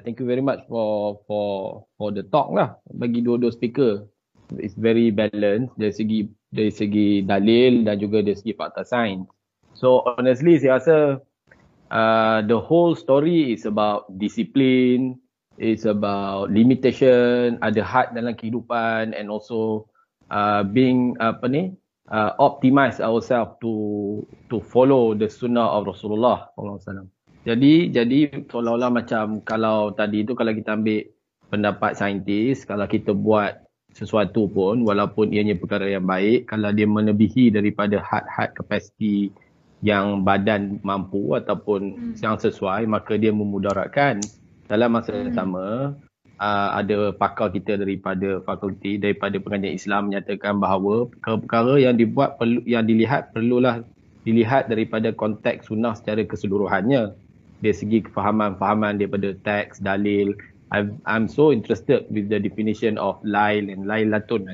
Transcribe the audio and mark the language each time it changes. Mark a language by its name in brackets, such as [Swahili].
[English] Thank you very much for the talk lah. [Malay] Bagi dua-dua speaker. [English] It's very balanced [Malay] dari segi dalil dan juga dari segi fakta sains. [English] So honestly, [Malay] saya rasa [English] the whole story is about discipline. It's about limitation, [Malay] ada had dalam kehidupan, [English] and also being optimize ourselves to follow the sunnah of Rasulullah SAW. [Malay] Jadi seolah-olah macam kalau tadi tu kalau kita ambil pendapat saintis, kalau kita buat sesuatu pun walaupun ianya perkara yang baik, kalau dia melebihi daripada had kapasiti yang badan mampu ataupun yang sesuai, maka dia memudaratkan. Dalam masa yang sama, ada pakar kita daripada fakulti, daripada pengajian Islam menyatakan bahawa perkara-perkara yang dibuat, yang dilihat perlulah dilihat daripada konteks sunnah secara keseluruhannya. Dari segi kefahaman-fahaman daripada teks, dalil. [English] I'm so interested with the definition of lail and lailatun.